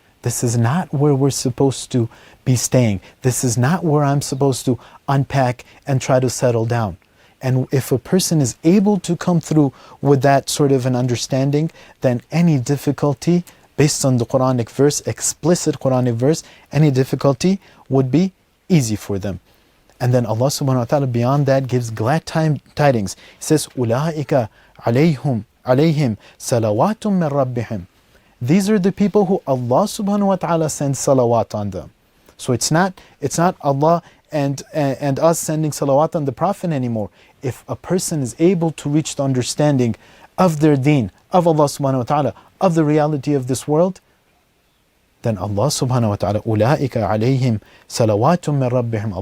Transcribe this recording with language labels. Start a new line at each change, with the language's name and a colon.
English: This is not where we're supposed to be staying. This is not where I'm supposed to unpack and try to settle down. And if a person is able to come through with that sort of an understanding, then any difficulty based on the Quranic verse, explicit Quranic verse, any difficulty would be easy for them. And then Allah subhanahu wa ta'ala beyond that gives glad tidings. He says,
Arabic: أُولَٰئِكَ عَلَيْهِمْ سَلَوَاتٌ مِّن رَبِّهِمْ.
English: These are the people who Allah subhanahu wa ta'ala sends salawat on them. So it's not Allah and us sending salawat on the Prophet anymore. If a person is able to reach the understanding of their deen, of Allah subhanahu wa ta'ala, of the reality of this world, then Allah subhanahu wa ta'ala,
Arabic: أُولَٰئِكَ عَلَيْهِمْ سَلَوَاتٌ مِّن رَبِّهِمْ.